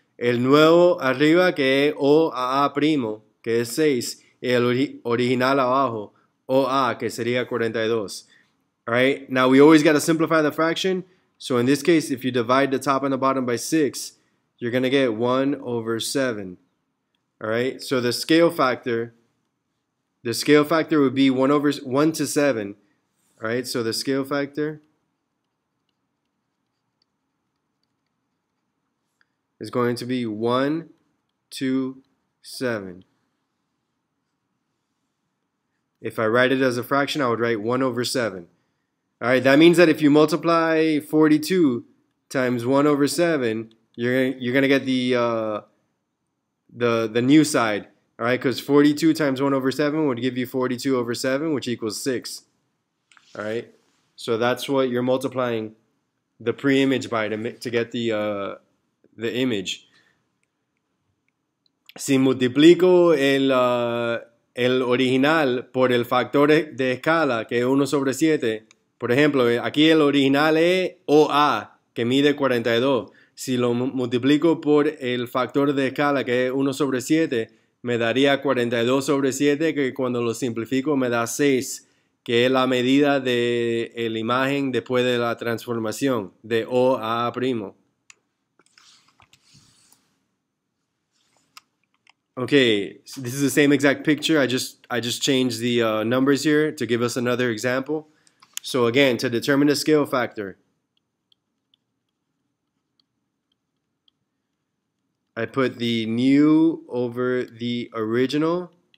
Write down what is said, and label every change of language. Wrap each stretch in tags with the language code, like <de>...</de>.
<es>El nuevo arriba, que es OAA primo, que es 6. El original abajo, OA, que sería 42.</es> <en>All right, now we always got to simplify the fraction. So in this case, if you divide the top and the bottom by 6, you're going to get 1 over 7. All right, so the scale factor would be 1 to 7. All right, so the scale factor is going to be 1 to 7. If I write it as a fraction, I would write 1 over 7. All right, that means that if you multiply 42 times 1 over 7, you're going to get the new side, all right? Because 42 times 1 over 7 would give you 42 over 7, which equals 6, all right? So that's what you're multiplying the pre-image by to get the image.</en> <es>Si multiplico el original por el factor de escala, que es 1 sobre 7, por ejemplo, aquí el original es OA, que mide 42. Si lo multiplico por el factor de escala, que es 1 sobre 7, me daría 42 sobre 7, que cuando lo simplifico me da 6, que es la medida de la imagen después de la transformación de OA primo.</es> <en>Okay, so this is the same exact picture. I just changed the numbers here to give us another example. So again, to determine the scale factor, I put the new over the original.</en>